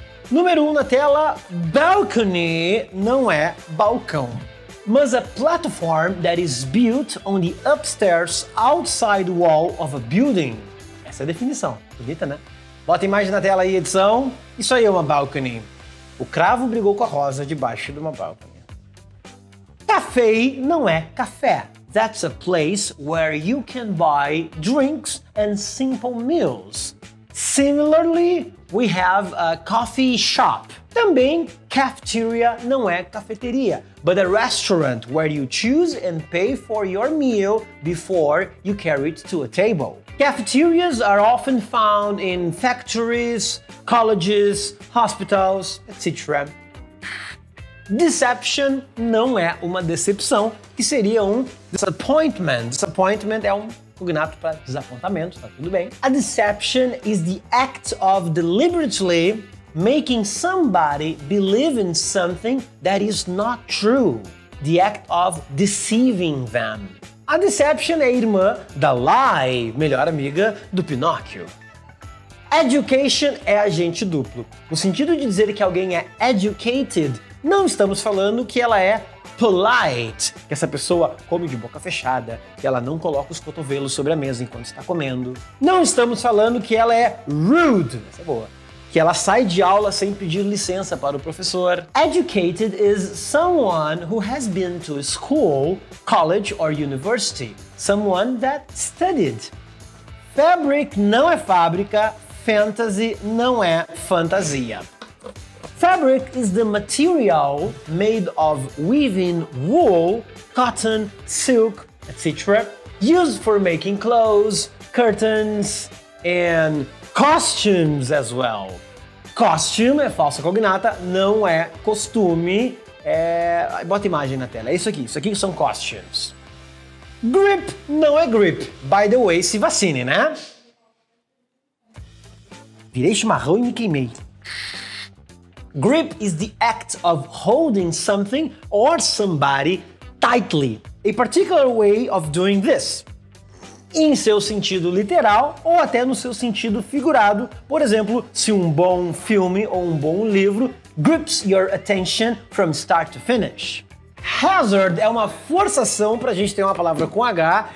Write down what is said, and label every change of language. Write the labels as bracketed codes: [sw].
[pt] Número 1 na tela, balcony não é balcão, mas [en] a platform that is built on the upstairs outside wall of a building. [pt] Essa é a definição, bonita, né? Bota a imagem na tela aí, edição. Isso aí é uma balcony. O cravo brigou com a rosa debaixo de uma balcony. Café não é café. [en] That's a place where you can buy drinks and simple meals. Similarly, we have a coffee shop. [pt] Também, cafeteria não é cafeteria, [en] but a restaurant where you choose and pay for your meal before you carry it to a table. Cafeterias are often found in factories, colleges, hospitals, etc. [pt] Deception não é uma decepção, que seria um disappointment. Disappointment é um cognato para desapontamento, tá tudo bem. [en] A deception is the act of deliberately making somebody believe in something that is not true. The act of deceiving them. [pt] A deception é a irmã da lie, melhor amiga do Pinóquio. Education é agente duplo. No sentido de dizer que alguém é educated, não estamos falando que ela é polite, que essa pessoa come de boca fechada, que ela não coloca os cotovelos sobre a mesa enquanto está comendo. Não estamos falando que ela é rude, essa é boa, que ela sai de aula sem pedir licença para o professor. [en] Educated is someone who has been to school, college or university. Someone that studied. [pt] Fabric não é fábrica, fantasy não é fantasia. [en] Fabric is the material made of weaving wool, cotton, silk, etc. used for making clothes, curtains, and costumes as well. [pt] Costume é falsa cognata, não é costume. Bota imagem na tela. É isso aqui são costumes. Grip não é grip. [en] By the way, [pt] se vacine, né? Virei chimarrão e me queimei. [en] Grip is the act of holding something or somebody tightly. A particular way of doing this. [pt] Em seu sentido literal ou até no seu sentido figurado. Por exemplo, se um bom filme ou um bom livro [en] grips your attention from start to finish. [pt] Hazard é uma forçação pra gente ter uma palavra com H.